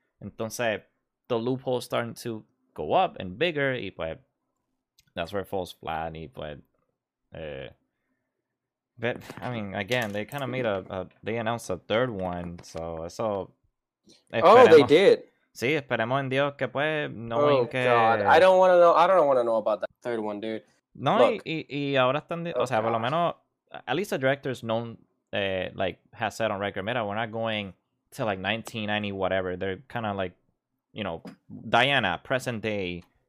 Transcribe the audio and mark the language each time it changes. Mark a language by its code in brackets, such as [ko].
[es] Entonces, [en] the loophole's starting to go up and bigger. [es] Y pues, [en] that's where it falls flat. Y pues, but, I mean, again, they kind of made they announced a third one. So they did. [es] Sí, esperemos en Dios que pues, no hay que... [en] God. I don't want to know about that third one, dude. [es] No, y ahora están... Oh, o sea, gosh. Por lo menos, [en] at least the director's known, like, has said on record, [es] mira, [en] we're not going to, like, 1990, whatever. They're kind of like, you know, Diana, present day.